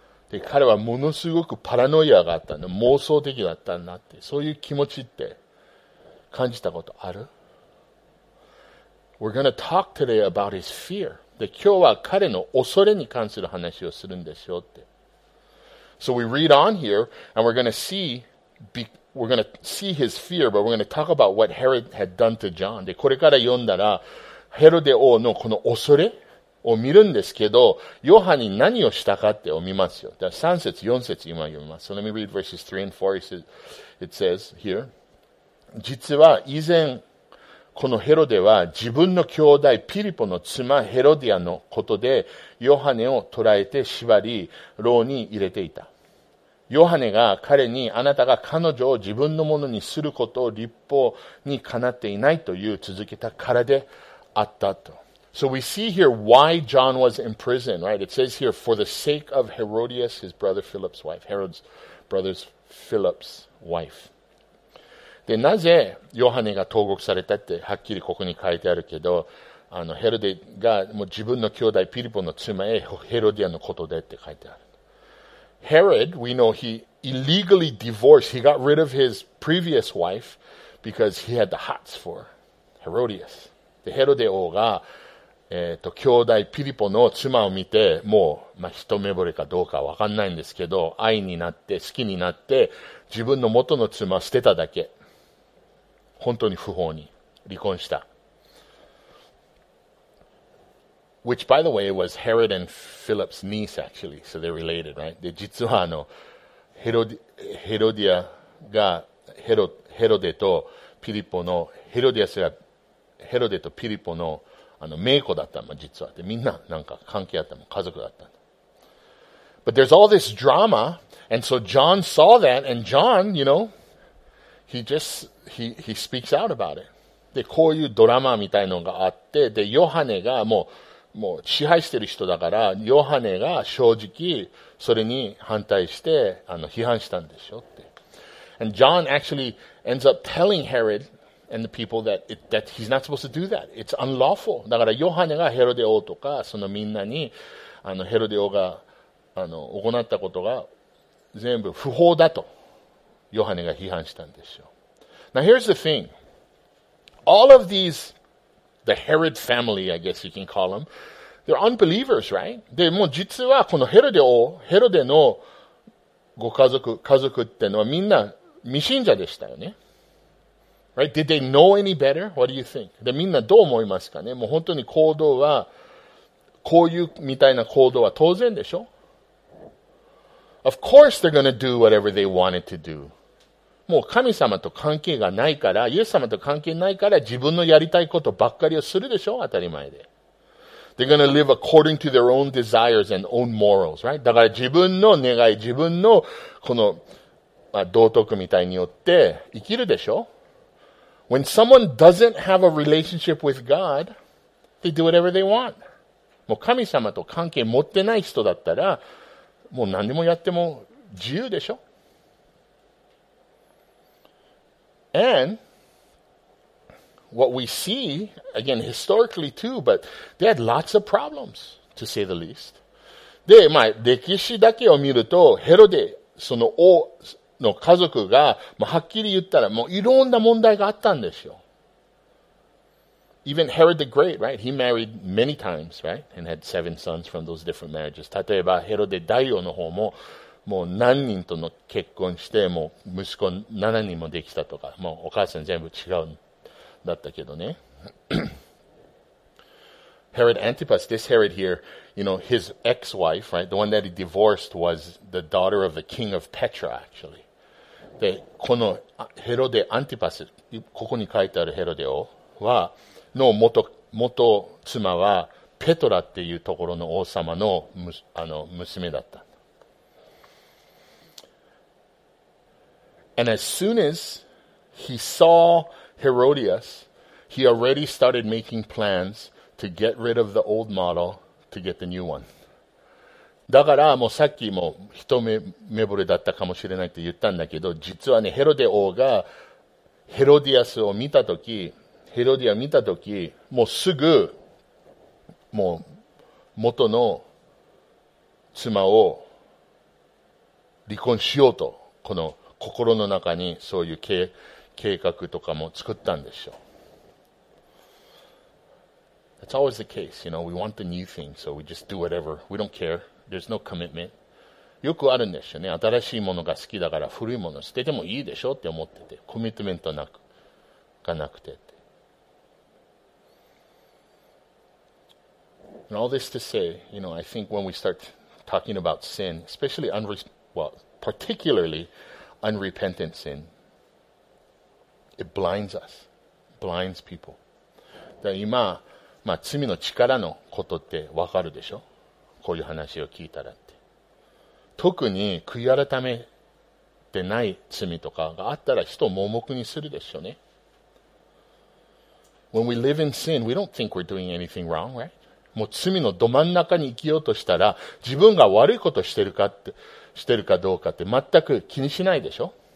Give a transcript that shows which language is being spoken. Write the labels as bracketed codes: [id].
[ja] で、彼はものすごくパラノイアがあったんだ。妄想的だったんだって。そういう気持ちって感じたことある? [en] We're gonna talk today about his fear. [ja] で、今日は彼の恐れに関する話をするんですよって。 [en] So we read on here, and we're gonna see his fear, but we're gonna talk about what Herod had done to John. [ja] で、これから読んだら、ヘロデ王のこの恐れを見るんですけど、ヨハネに何をしたかってを見ますよ。 3節、4節、今読みます。 [en] So let me read verses 3 and 4. It says here, [ja] 実は以前、このヘロデは自分の兄弟ピリポの妻ヘロディアのことで、ヨハネを捕らえて縛り、牢に入れていた。ヨハネが彼にあなたが彼女を自分のものにすることを律法にかなっていないという続けたからであったと。 [en] So we see here why John was in prison, right? It says here, for the sake of Herodias, his brother Philip's wife. Herod's brother's Philip's wife. [ja] で、なぜヨハネが投獄されたってはっきりここに書いてあるけど、ヘロデがもう自分の兄弟ピリポの妻へヘロディアのことでって書いてある。 [en] Herod, we know he illegally divorced. He got rid of his previous wife because he had the hots for Herodias. [ja] で、ヘロデ王が兄弟ピリポの妻を見て、もう、まあ、一目惚れかどうかわかんないんですけど、愛になって、好きになって、自分の元の妻を捨てただけ。本当に不法に。離婚した。 [en] Which, by the way, was Herod and Philip's niece, actually. So they're related, right? [ja] で、実はヘロディアが、ヘロデとピリポの、ヘロディアすら、ヘロデとピリポの、あの、名子だったの、実は。で、みんな、なんか、関係あったの、家族だったの。 [en] But there's all this drama, and so John saw that, and John, you know, he speaks out about it. [ja] で、こういうドラマみたいのがあって、で、ヨハネがもう支配してる人だから、ヨハネが正直、それに反対して、あの、批判したんでしょって。 [en] And John actually ends up telling Herod and the people that, that he's not supposed to do that. It's unlawful. [ja] だから、ヨハネがヘロデ王とか、そのみんなに、あの、ヘロデ王が、あの、行ったことが全部不法だと、ヨハネが批判したんでしょう。 [en] Now here's the thing. All of these, the Herod family, I guess you can call them, they're unbelievers, right? [ja] で、もう実はこのヘロデ王、ヘロデのご家族、家族ってのはみんな未信者でしたよね。 [en] Right? Did they know any better? What do you think? [ja] で、みんなどう思いますかね？もう本当に行動は、こういうみたいな行動は当然でしょ？ [en] Of course they're gonna do whatever they wanted to do. [ja] もう神様と関係がないから、イエス様と関係ないから自分のやりたいことばっかりをするでしょ？当たり前で。 [en] They're gonna live according to their own desires and own morals, right? [ja] だから自分の願い、自分のこの、まあ、道徳みたいによって生きるでしょ？ [en] When someone doesn't have a relationship with God, they do whatever they want. [ja] もう神様と関係持ってない人だったら、もう何でもやっても自由でしょ？ [en] And,What we see, again, historically too, but they had lots of problems, to say the least. [ja] で、まあ、歴史だけを見ると、ヘロデ、その王の家族が、まあ、はっきり言ったら、もういろんな問題があったんですよ。 [en] Even Herod the Great, right? He married many times, right? And had 7 sons from those different marriages. [ja] 例えば、ヘロデ大王の方も、もう何人との結婚して、もう息子7人もできたとか、もうお母さん全部違う。だったけどね。 [en] Herod Antipas, this Herod here, you know, his ex-wife, right, the one that he divorced was the daughter of the king of Petra, actually. [ja] で、このヘロデ・アンティパス、ここに書いてあるヘロデ王は、の元妻は、ペトラっていうところの王様の、あの、娘だった。 [en] And as soon as he saw... Herodias, he already started making plans to get rid of the old model to get the new one. [ja] だからもうさっきも一目目惚れだったかもしれないって言ったんだけど、実はね、ヘロデ王がヘロディアスを見たとき、ヘロディアを見たとき、もうすぐ、もう元の妻を離婚しようと、この心の中にそういう計画とかも作ったんでしょう。 [en] That's always the case, you know. We want the new thing, so we just do whatever. We don't care. There's no commitment. [ja] よくあるんですよね。新しいものが好きだから古いもの捨ててもいいでしょって思ってて、コミットメントなくがなくてって。 [en] And all this to say, you know, I think when we start talking about sin, especially particularly unrepentant sin. It blinds us, blinds people. [ja] だから今、まあ、罪の力のことってわかるでしょ？こういう話を聞いたらって。特に、悔い改めてない罪とかがあったら人を盲目にするでしょうね。 [en] When we live in sin, we don't think we're doing anything wrong, right? [ja] もう罪のど真ん中に生きようとしたら、自分が悪いことしてるかって、してるかどうかって全く気にしないでしょ？